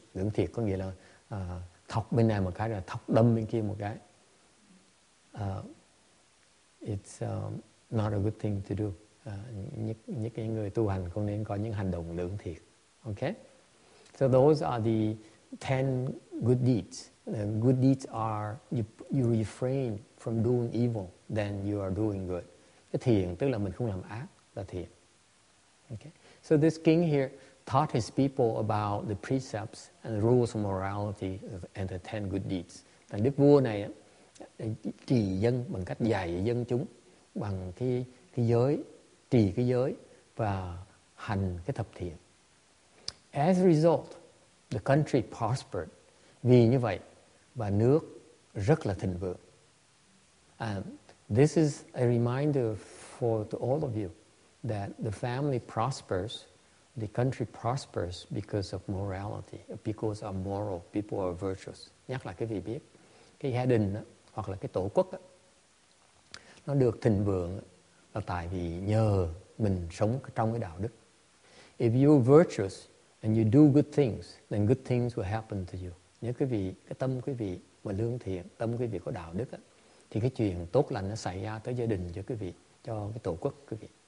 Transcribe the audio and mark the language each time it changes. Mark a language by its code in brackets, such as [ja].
[vi] Lưỡng thiệt có nghĩa là thọc bên này một cái rồi thọc đâm bên kia một cái. [en] It's not a good thing to do. [vi] Những cái người tu hành không nên có những hành động lưỡng thiệt. [en] Okay? So those are the 10 good deeds. Good deeds are you refrain from doing evil, then you are doing good. [vi] Cái thiện tức là mình không làm ác là thiện. [en] Okay. So this king here taught his people about the precepts and the rules of morality and the 10 good deeds. [vi] Đức vua này trì dân bằng cách dạy dân chúng bằng cái giới, trì cái giới và hành cái thập thiện. [en] As a result, the country prospered. [vi] Vì như vậy, và nước rất là thịnh vượng. [en] This is a reminder for to all of you that the family prospers, the country prospers because of morality, because of moral, people are virtuous. [vi] Nhắc lại cái vị biết, cái gia đình đó, hoặc là cái tổ quốc đó, nó được thịnh vượng là tại vì nhờ mình sống trong cái đạo đức. [en] If you're virtuous and you do good things, then good things will happen to you. [vi] Nhớ quý vị, cái tâm quý vị mà lương thiện, tâm quý vị có đạo đức á, thì cái chuyện tốt lành nó xảy ra tới gia đình cho quý vị, cho cái tổ quốc quý vị.